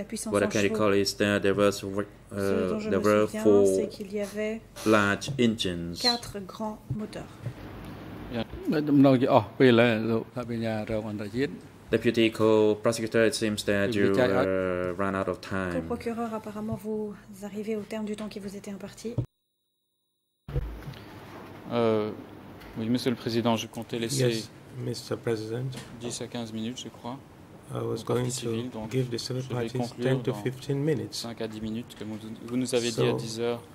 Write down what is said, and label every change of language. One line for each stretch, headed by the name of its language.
English: What I can recall is that there, was, there were four large engines.
French: Quatre grands moteurs.
English: Deputy co-prosecutor, it seems that you ran out of time.
French: Co-procureur, apparemment, vous arrivez au terme du temps qui vous était imparti. Oui, Monsieur le Président, je comptais laisser.
English: Yes, Mr. President.
French: 10 à 15 minutes, je crois.
English: I was going to give the civil parties 10 to 15 minutes.
French: 5 à 10 minutes, comme vous nous avez dit à 10 heures.